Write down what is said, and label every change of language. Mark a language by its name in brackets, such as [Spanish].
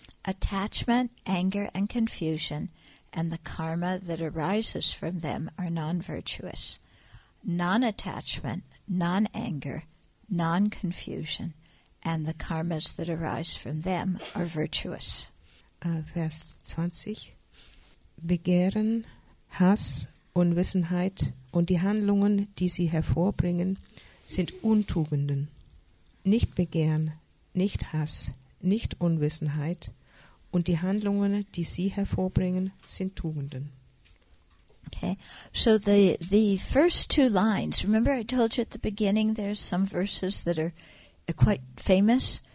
[English] Attachment, anger and confusion and the karma that arises from them are non-virtuous. Non-attachment, non-anger, non-confusion and the karmas that arise from them are virtuous. [German] Vers 20. Begehren, Hass, Unwissenheit und die Handlungen, die sie hervorbringen, sind Untugenden. Nicht Begehren, nicht Hass, nicht Unwissenheit und die Handlungen, die sie hervorbringen, sind Tugenden. [English] Okay, so the first two lines, remember I told you at the beginning there's some verses that are quite famous?